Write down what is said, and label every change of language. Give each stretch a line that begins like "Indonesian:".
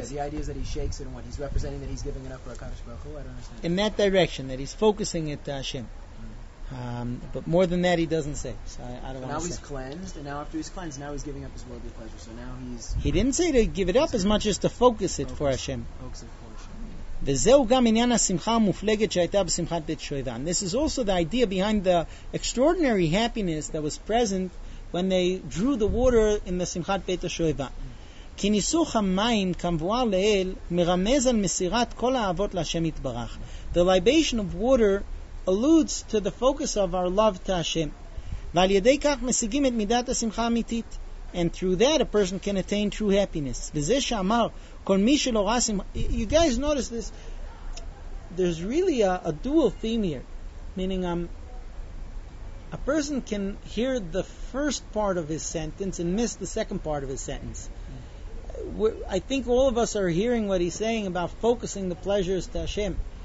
English: The idea is that he shakes it, and what he's representing, that he's giving it up for HaKadosh Baruch Hu. I don't understand. In that direction, that he's focusing it to Hashem. But more than that, he doesn't say. So I don't want to say. Now he's cleansed, and now after he's cleansed, now he's giving up his worldly pleasure. So now he's... He didn't say to give it up as much as to focus it for Hashem. Focus it for Hashem.
Hebrew: וזהו גם עניין השמחה המופלגת שהייתה בשמחת בית שואבן.
English: This is also the idea behind the extraordinary happiness that was present when they drew the water in the שמחת בית השואבן.
Hebrew: כי ניסוך המים כמבואר לאל מרמז על מסירת כל האהבות להשם יתברך.
English: The libation of water alludes to the focus of our love to Hashem.
Hebrew: ועל ידי כך משיגים את מידת השמחה האמיתית.
English: And through that a person can attain true happiness.
Hebrew: וזה שאמר כל מי שלא ראה שמחה...
English: You guys notice this. There's really a dual theme here. Meaning a person can hear the first part of his sentence and miss the second part of his sentence. I think all of us are hearing what he's saying about focusing the pleasures to Hashem.